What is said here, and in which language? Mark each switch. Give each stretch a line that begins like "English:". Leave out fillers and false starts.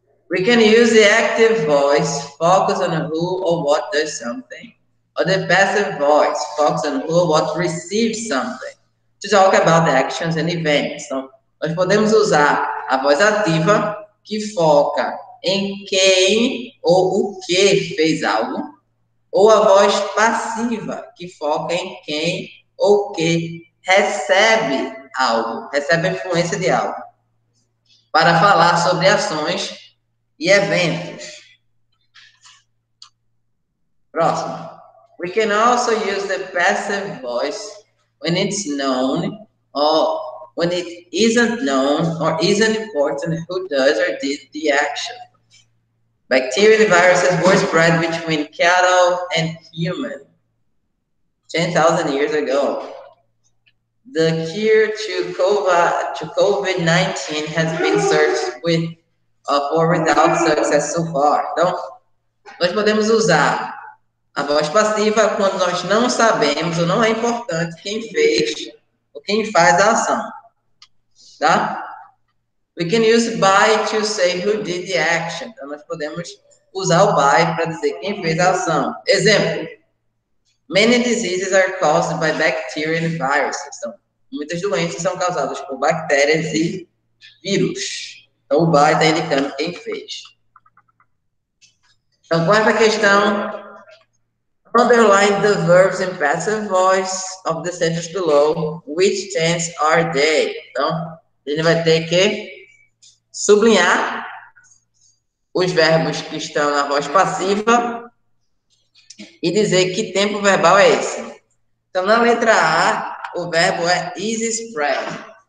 English: We can use the active voice, focus on who or what does something, or the passive voice, focus on who or what receives something, to talk about the actions and events.
Portuguese: Então, nós podemos usar a voz ativa, que foca em quem ou o que fez algo, ou a voz passiva, que foca em quem ou o que recebe algo, recebe a influência de algo, para falar sobre ações e eventos. Próximo.
English: We can also use the passive voice when it's known or when it isn't known or isn't important who does or did the action. Bacteria and viruses were spread between cattle and human 10,000 years ago. The cure to COVID-19 has been searched with or without success so far.
Portuguese: Então, nós podemos usar a voz passiva quando nós não sabemos ou não é importante quem fez ou quem faz a ação. Tá?
English: We can use by to say who did the action.
Portuguese: Então, nós podemos usar o by para dizer quem fez a ação. Exemplo.
English: Many diseases are caused by bacteria and viruses.
Portuguese: Então, muitas doenças são causadas por bactérias e vírus. Então, o by está indicando quem fez. Então, quarta questão.
English: Underline the verbs in passive voice of the sentence below. Which tense are they?
Portuguese: Então, ele vai ter que sublinhar os verbos que estão na voz passiva e dizer que tempo verbal é esse. Então, na letra A, o verbo é is spread.